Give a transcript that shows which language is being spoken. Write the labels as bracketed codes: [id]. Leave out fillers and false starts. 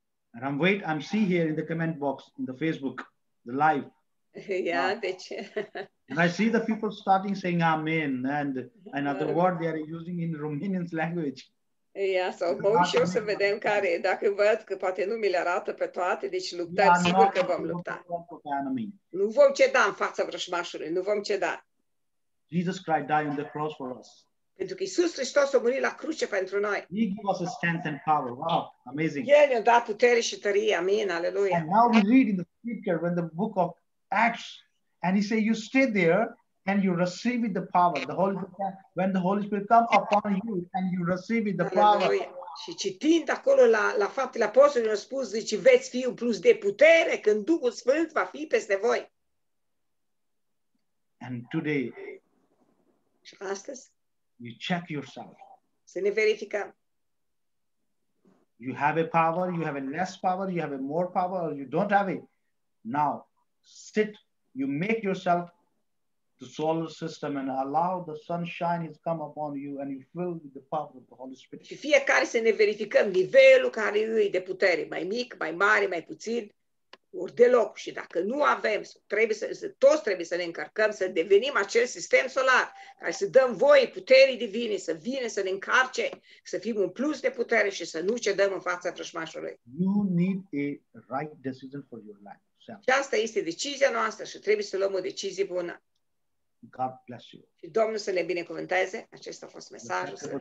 [en] And I'm see here in the comment box, in the Facebook, the live. [ro] Yeah, wow. Deci. [en] And I see the people starting saying amen and another word they are using in Romanian language. [ro] Yeah, so bun și o să vedem care, dacă văd că poate nu mi le arată pe toate, deci luptăm, yeah, sigur că vom lupta. Nu vom ceda în fața vrășmașului, nu vom ceda. [en] Jesus Christ died on the cross for us. [ro] Pentru că Iisus Hristos a murit la cruce pentru noi. [en] He gave us a strength and power. Wow, amazing. [ro] El ne-a dat putere și tărie, amin, aleluia. [en] And now we read in the scripture when the book of Acts, and he said, you stay there and you receive the power. The Holy Spirit, when the Holy Spirit comes upon you and you receive the power. [ro] Și citind acolo la Faptele Apostolilor, a spus, zice, veți fi un plus de putere când Duhul Sfânt va fi peste voi. [en] And today, [ro] și astăzi, [en] you check yourself. [ro] Să ne verificăm. [en] You have a power, you have a less power, you have a more power, or you don't have it. Now, sit, you make yourself the solar system and allow the sunshine to come upon you and you fill with the power of the Holy Spirit. [ro] Și fiecare să ne verificăm nivelul care îi de putere, mai mic, mai mare, mai puțin, ori deloc. Și dacă nu avem, toți trebuie să ne încărcăm, să devenim acel sistem solar, care să dăm voie puterii divine, să vină, să ne încarce, să fim un plus de putere și să nu cedăm în fața vrăjmașului. [en] You need a right decision for your life. [ro] Și asta este decizia noastră și trebuie să luăm o decizie bună. [en] God bless you. [ro] Și Domnul să ne binecuvânteze. Acesta a fost mesajul.